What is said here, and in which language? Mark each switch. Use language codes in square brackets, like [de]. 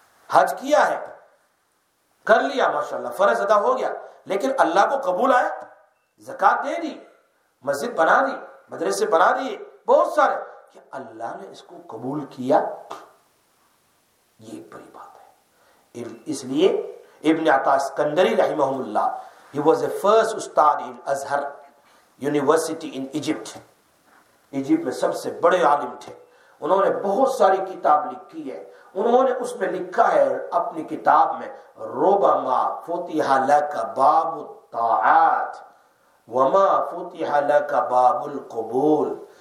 [ur] حج کیا ہے، کر لیا ماشاء اللہ، فرض ادا ہو گیا، لیکن اللہ کو قبول آیا؟ زکات دے دی، مسجد بنا دی، مدرسے بنا دیے، بہت سارے، کیا اللہ نے اس کو قبول کیا؟ یہ بڑی بات ہے. اس لیے ابن عطا اسکندری رحمہ اللہ، [en] he was the first استاد in Azhar University in Egypt. [ur] Egypt میں سب سے بڑے عالم تھے، انہوں نے بہت ساری کتاب لکھی ہے. انہوں نے اس میں لکھا ہے اپنی کتاب میں، [ar] ربما فتح لک باب الطاعات وما فتح لک باب القبول.